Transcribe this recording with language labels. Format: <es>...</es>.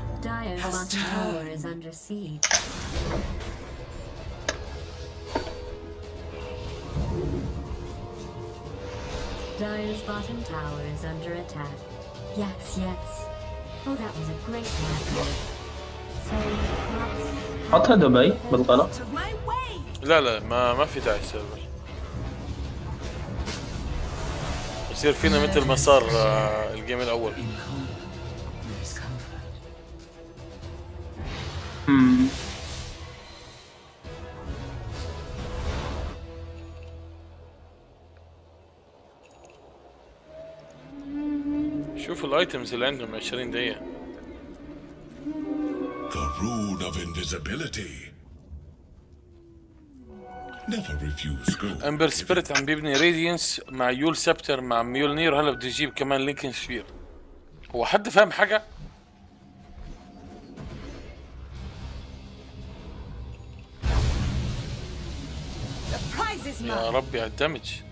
<en>Dire's bottom tower is under siege. Dire's bottom tower is under attack. Yes, yes. Oh, that was a great match.</en> <ar>So, عطها دبي بالغلط. لا لا ما في داعي سيرفر. يصير فينا مثل ما صار الجيم الاول. شوف الايتمز اللي عندهم 20 دقيقة.</ar> <en>The rune of invisibility. Never refuse gold.</en> <ar>Ember Spirit عم بيبني Radiance مع Yule Scepter مع Mjolnir هلا بده يجيب كمان Lincoln Sphere. هو حد فهم حاجة؟ يا ربي على الدمج.</ar>